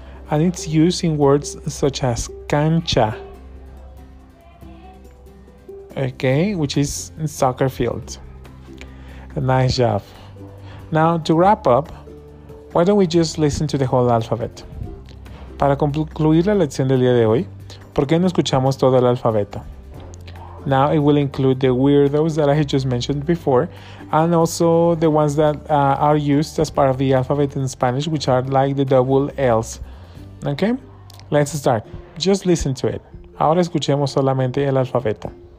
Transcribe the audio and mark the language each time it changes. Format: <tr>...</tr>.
<en>And it's used in words such as cancha. Okay, which is soccer field. Nice job. Now, to wrap up, why don't we just listen to the whole alphabet?</en> <es>Para concluir la lección del día de hoy, ¿por qué no escuchamos todo el alfabeto?</es> <en>Now it will include the weirdos that I just mentioned before, and also the ones that are used as part of the alphabet in Spanish, which are like the double L's. Okay? Let's start. Just listen to it.</en> <es>Ahora escuchemos solamente el alfabeto.</es>